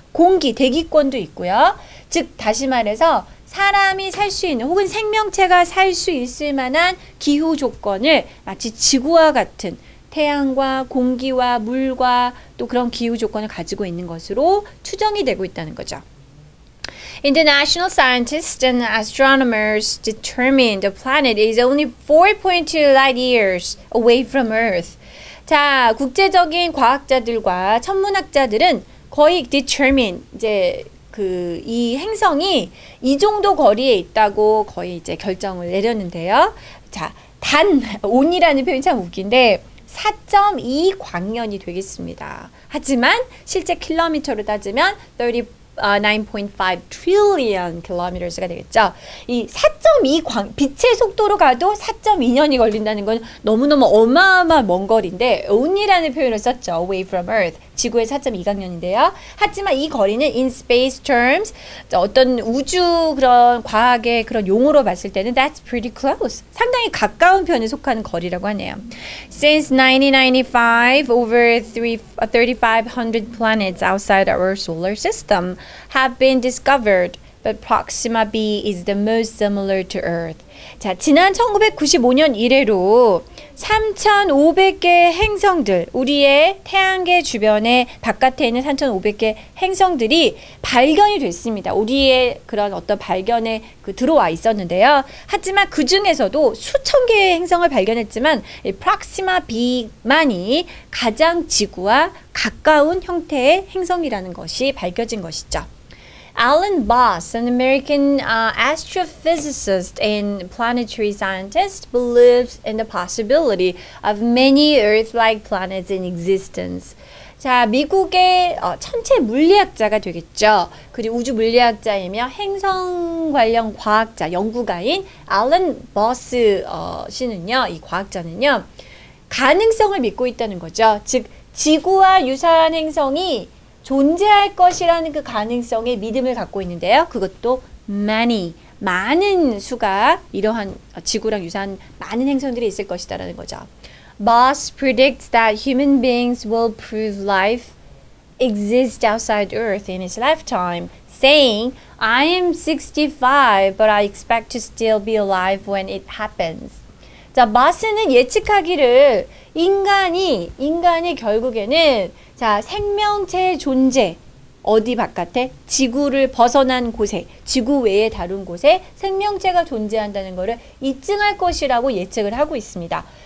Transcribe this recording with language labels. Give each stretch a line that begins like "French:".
Korean: 공기, 대기권도 있고요. 즉, 다시 말해서 사람이 살 수 있는 혹은 생명체가 살 수 있을 만한 기후 조건을 마치 지구와 같은 태양과 공기와 물과 또 그런 기후 조건을 가지고 있는 것으로 추정이 되고 있다는 거죠.
English: International scientists and astronomers determined the planet is only 4.2 light years away from Earth.
Korean: 자, 국제적인 과학자들과 천문학자들은 거의 determine, 이제 그 이 행성이 이 정도 거리에 있다고 거의 이제 결정을 내렸는데요. 자, 단 온이라는 표현이 참 웃긴데 4.2 광년이 되겠습니다. 하지만 실제 킬로미터로 따지면 9.5 trillion kilometers가 되겠죠. 이 4.2 광, 빛의 속도로 가도 4.2년이 걸린다는 건 너무너무 어마어마한 먼 거리인데 온이라는 표현을 썼죠. Away from Earth, 지구의 4.2광년인데요. 하지만 이 거리는 in space terms, 어떤 우주 그런 과학의 그런 용어로 봤을 때는
English: that's pretty close,
Korean: 상당히 가까운 편에 속하는 거리라고 하네요.
English: Since 1995, over 3,500 planets outside our solar system have been discovered, but Proxima b is the most similar to Earth.
Korean: 자, 지난 1995년 이래로 3,500개 행성들, 우리의 태양계 주변에 바깥에 있는 3,500개 행성들이 발견이 됐습니다. 우리의 그런 어떤 발견에 그 들어와 있었는데요. 하지만 그 중에서도 수천 개의 행성을 발견했지만 이 Proxima b만이 가장 지구와 가까운 형태의 행성이라는 것이 밝혀진 것이죠.
English: Alan Boss, an American astrophysicist and planetary scientist, believes in the possibility of many Earth-like planets in existence.
Korean: 자, 미국의 천체 물리학자가 되겠죠. 그리고 우주 물리학자이며 행성 관련 과학자, 연구가인 Alan Boss 씨는요, 이 과학자는요, 가능성을 믿고 있다는 거죠. 즉, 지구와 유사한 행성이 존재할 것이라는 그 가능성에 믿음을 갖고 있는데요. 그것도 many, 많은 수가 이러한 지구랑 유사한 많은 행성들이 있을 것이다라는 거죠.
English: Moss predicts that human beings will prove life exists outside Earth in his lifetime, saying, I am 65, but I expect to still be alive when it happens.
Korean: 자, 마스는 예측하기를 인간이 결국에는 자, 생명체의 존재 어디 바깥에 지구를 벗어난 곳에 지구 외에 다른 곳에 생명체가 존재한다는 것을 입증할 것이라고 예측을 하고 있습니다.